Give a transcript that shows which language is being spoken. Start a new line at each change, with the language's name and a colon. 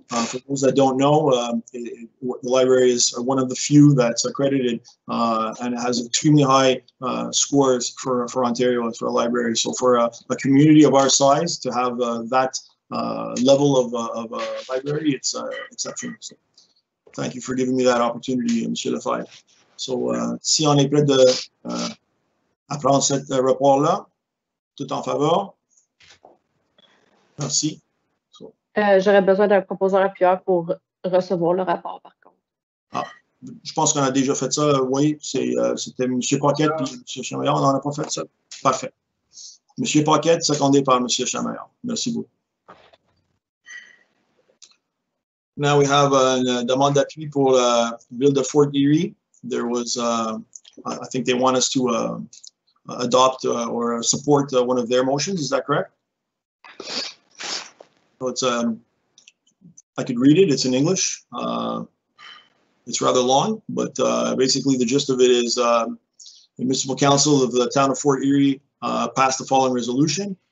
English: For those that don't know, the library is one of the few that's accredited and has extremely high scores for Ontario and for a library. So for a community of our size to have that level of a library, it's exceptional. So thank you for giving me that opportunity, M. Lefebvre.
French: So si on est prêt de apprendre cet rapport-là, tout en faveur. Merci. J'aurais besoin d'un proposeur appuyeur pour recevoir le rapport, par contre. Ah, je pense qu'on a déjà fait ça, oui. C'était M. Paquette et M. Chamaillard. On n'en a pas fait ça. Parfait. M. Paquette, secondé par M. Chamaillard. Merci beaucoup.
English: Now we have
French: une demande d'appui pour la ville de Fort Erie.
English: There was, I think they want us to adopt or support one of their motions. Is that correct? So it's, I could read it, it's in English. It's rather long, but basically the gist of it is the Municipal Council of the Town of Fort Erie passed the following resolution.